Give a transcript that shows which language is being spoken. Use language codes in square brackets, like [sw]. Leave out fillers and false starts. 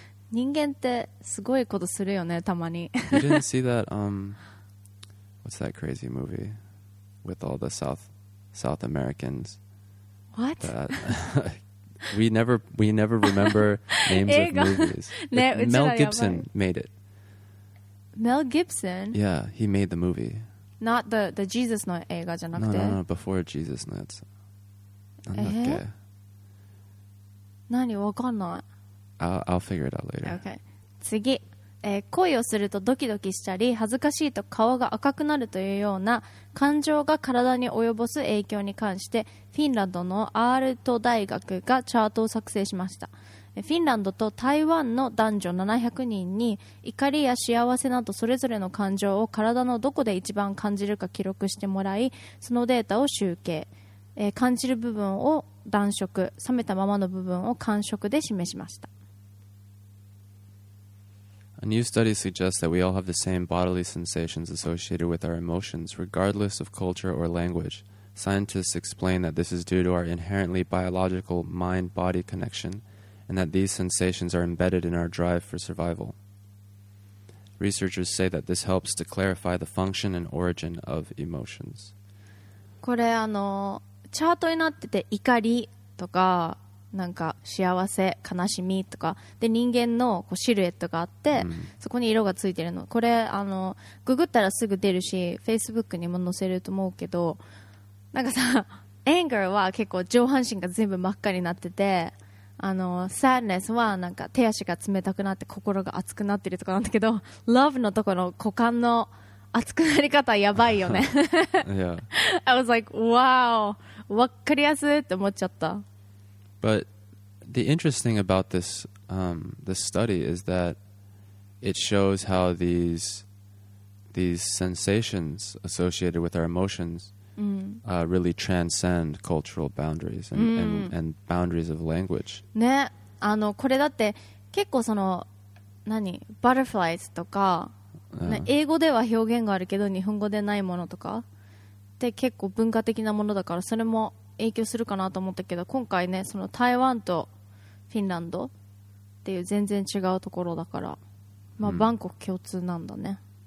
[ja] 人間ってすごいことするよね、たまに。 [en] You didn't see that, what's that crazy movie with all the South Americans? What? That, we never remember names of movies. [ja] ね、 [en] Mel Gibson made it. Mel Gibson? Yeah, he made the movie. Not the [ja] Jesus の映画じゃなくて。 [en] No, before [ja] Jesus のやつ。なんだっけ。何わかんない。 [en] I'll figure it out later. Okay. [ja] 次、恋をするとドキドキしたり恥ずかしいと顔が赤くなるというような感情が体に及ぼす影響に関してフィンランドのアールト大学がチャートを作成しました。フィンランドと台湾の男女700人に怒りや幸せなどそれぞれの感情を体のどこで一番感じるか記録してもらい、そのデータを集計、感じる部分を暖色、冷めたままの部分を寒色で示しました。 [en] A new study suggests that we all have the same bodily sensations associated with our emotions, regardless of culture or language. Scientists explain that this is due to our inherently biological mind-body connection, and that these sensations are embedded in our drive for survival. Researchers say that this helps to clarify the function and origin of emotions. [ja] これあのチャートになってて、怒りとかなんか幸せ悲しみとかで人間のこうシルエットがあって、そこに色がついてるの。これあのググったらすぐ出るし、 Facebook にも載せると思うけど、なんかさ Anger は結構上半身が全部真っ赤になってて、あの Sadness はなんか手足が冷たくなって心が熱くなってるとかなんだけど、 Love のところ股間の熱くなり方やばいよね。 [en] Yeah. I was like wow、 [ja] わかりやすいって思っちゃった。 [en] But the interesting about this, this study is that it shows how these sensations associated with our emotions really transcend cultural boundaries and boundaries of language. [ja] ね、あの、これだって結構その、何、butterflies とか、英語では表現があるけど日本語でないものとかって結構文化的なものだから、それも影響するかなと思ったけど、今回ね、その台湾とフィンランドっていう全然違うところだから、まあ、バンコク共通なんだね。